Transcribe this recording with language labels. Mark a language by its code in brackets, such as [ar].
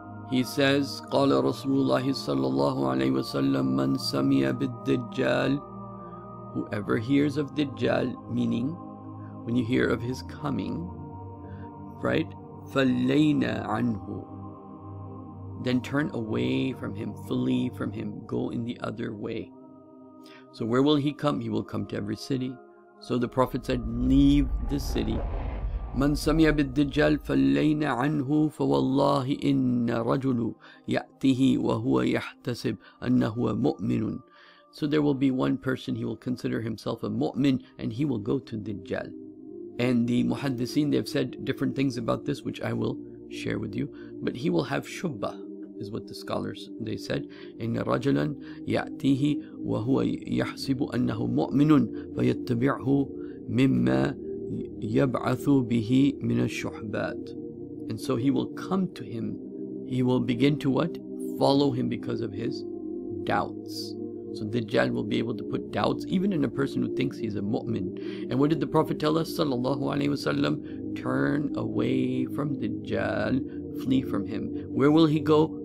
[en] He says, [ar] قال رسول الله صلى الله عليه وسلم من سمع بالدجال, [en] whoever hears of Dajjal, meaning when you hear of his coming, right, [ar] فلينا عنه, [en] then turn away from him, flee from him, go in the other way. So where will he come? He will come to every city. So the Prophet said, leave the city. [ar] من سمع بالدجال فلين عنه فوالله إن رجل يأتيه وهو يحتسب أنه مؤمن. [en] So there will be one person, he will consider himself a mu'min, and he will go to Dajjal. And the muhaddithin, they have said different things about this, which I will share with you. But he will have shubha, is what the scholars, they said. [ar] إن رجلا يأتيه وهو يحسب أنه مؤمن فيتبعه مما يَبْعَثُ بِهِ مِنَ الشُّحْبَاتِ. [en] And so he will come to him. He will begin to what? Follow him because of his doubts. So Dajjal will be able to put doubts even in a person who thinks he's a mu'min. And what did the Prophet tell us sallallahu alaihi wasallam? Turn away from Dajjal, flee from him. Where will he go?